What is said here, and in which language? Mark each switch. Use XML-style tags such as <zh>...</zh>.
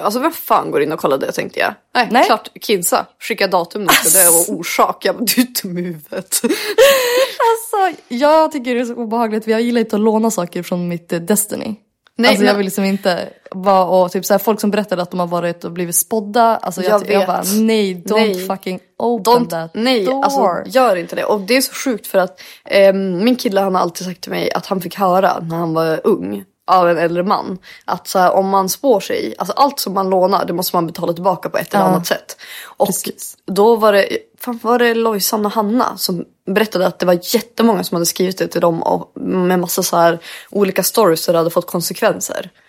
<sv>Alltså vem fan går in och kollar det, tänkte jag. Nej. Klart, Kinsa. Skicka datum när man ska dö och orsak. Jag bara, du är dum i huvudet. Alltså, jag tycker det är så obehagligt. Jag gillar inte att låna saker från mitt Destiny. Nej, alltså jag vill liksom inte vara och typ så här, folk som berättade att de har varit och blivit spodda. Alltså jag bara, nej,</sv> <en>don't fucking open that door.</en> <sv>Alltså, gör inte det. Och det är så sjukt för att min kille, han har alltid sagt till mig att han fick höra när han var ung av en äldre man. Att så här, om man spår sig, alltså allt som man lånar, det måste man betala tillbaka på ett eller annat sätt. Och då var det, Lojsan och Hanna som berättade att det var jättemånga som hade skrivit det till dem och med massa så här olika stories där det hade fått konsekvenser.</sv>